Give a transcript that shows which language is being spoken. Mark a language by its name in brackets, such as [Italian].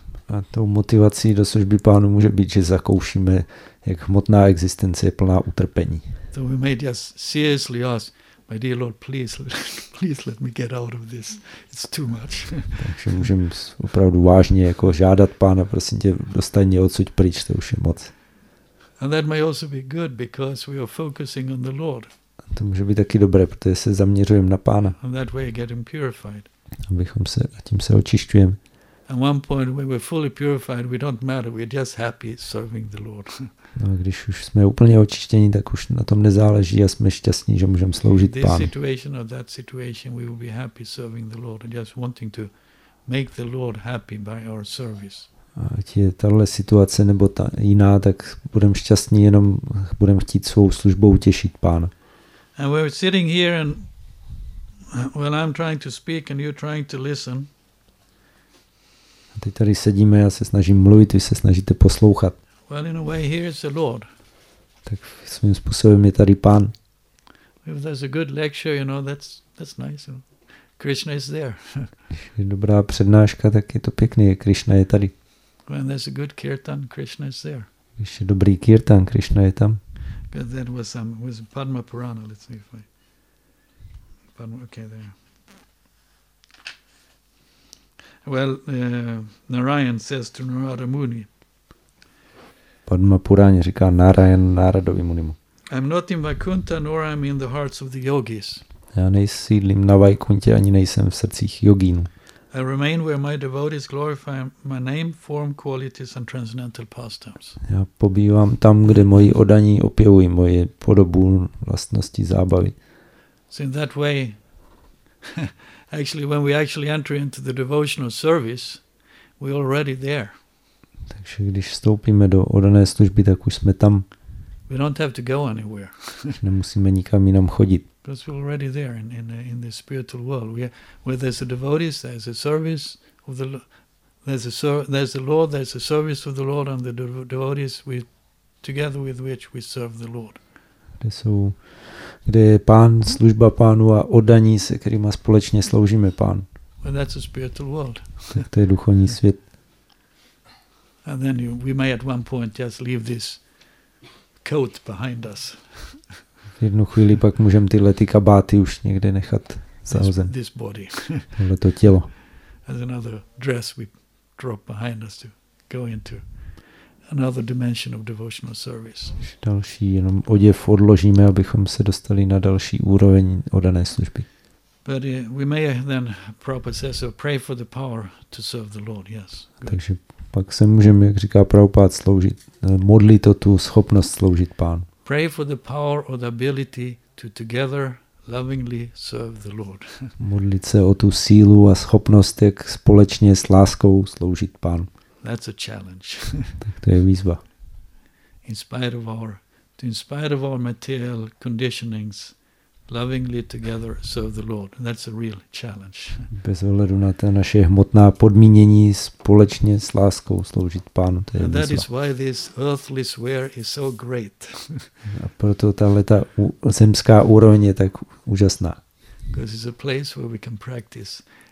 [Czech] A tou motivací do služby Pánu může být, že zakoušíme, jak hmotná existence je plná utrpení. [English] So we may just seriously ask, my dear Lord, please let me get out of this. It's too much. [Czech] Takže můžeme opravdu vážně jako žádat Pána, prosím tě, dostaň mě odsud pryč, to už je moc. [English] And that may also be good because we are focusing on the Lord. [Czech] A to může být taky dobré, protože se zaměřujeme na Pána. [English] And that way get him purified. [Czech] Abychom se a tím se očišťujeme. [English] At one point when we're fully purified, we don't matter. We're just happy serving the Lord. [Czech] No, když už jsme úplně očištění, tak už na tom nezáleží a jsme šťastní, že můžeme sloužit Pánu. In [English] this situation or that situation, we will be happy serving the Lord, just wanting to make the Lord happy by our service. [Czech] Ať je tahle situace nebo ta jiná, tak budeme šťastní, jenom budeme chtít svou službou utěšit Pána. [English] And we're sitting here and well, I'm trying to speak and you're trying to listen. [Czech] Teď tady sedíme, já se snažím mluvit, vy se snažíte poslouchat. [English] Well, in a way, here is the Lord. [Czech] Tak svým způsobem je tady Pán. [English] If there's a good lecture, you know, that's nice. Krishna is there. [Czech] Když je dobrá přednáška, tak je to pěkný, Krishna je tady. [English] When there's a good kirtan, Krishna is there. [Czech] Když je dobrý kirtan, Krishna je tam. [English] But that was was Padma Purana, let's see if I... Padma, okay, there. Well, Narayan says to Narada Muni. [Czech] Padma Purana říká Narayan Naradovi Munimu. [English] I'm not in Vaikuntha nor I'm in the hearts of the yogis. [Czech] Já nesídlím na Vaikuntě ani nejsem v srdcích jogínů. [English] I remain where my devotees glorify my name, form, qualities and transcendental pastimes. [Czech] Já pobývám tam, kde moji oddaní opěvují moje podobu, vlastnosti, zábavy. [English] So in that way actually when we actually enter into the devotional service we already there. [Czech] Takže když vstoupíme do oddané služby, tak už jsme tam. [English] We don't have to go anywhere. [Czech] Nemusíme nikam jinam chodit. [English] Because we're already there in the spiritual world. We are, where there's a devotee, there's a service of the there's the Lord, there's a service of the Lord and the devotees we together with which we serve the Lord. [Czech] Kde je Pán, služba Pánu a oddaní, se kterýma společně sloužíme Pán. [English] Well, that's a spiritual world. [Czech] Tak to je duchovní svět. [English] And then we may at one point just leave this coat behind us. [Czech] V jednu chvíli pak můžeme tyhle ty kabáty už někde nechat zahozen. [English] This body. [Czech] Tohle to tělo. [English] As another dress we drop behind us to go into another dimension of devotional service. [Czech] Další jenom oděv odložíme, abychom se dostali na další úroveň oddané služby. [English] But we may then Prabhupada says, pray for the power to serve the Lord. Yes. Good. [Czech] Takže pak se můžeme, jak říká Prabhupada, sloužit, modlit o tu schopnost sloužit Pánu. [English] Pray for the power or the ability to together lovingly serve the Lord. [Czech] Modlit se o tu sílu a schopnost, jak společně s láskou sloužit Pánu. [English] That's a challenge. [Czech] Tak to je výzva. [English] In spite of our material conditionings, lovingly together serve the Lord. That's a real challenge. [Czech] Bez ohledu na ta naše hmotná podmínění společně s láskou sloužit Pánu, to je výzva. [English] And that is why this earthly sphere is so great. [Czech] A proto tahle ta zemská úroveň je tak úžasná. [English] Because it's a place where we can practice.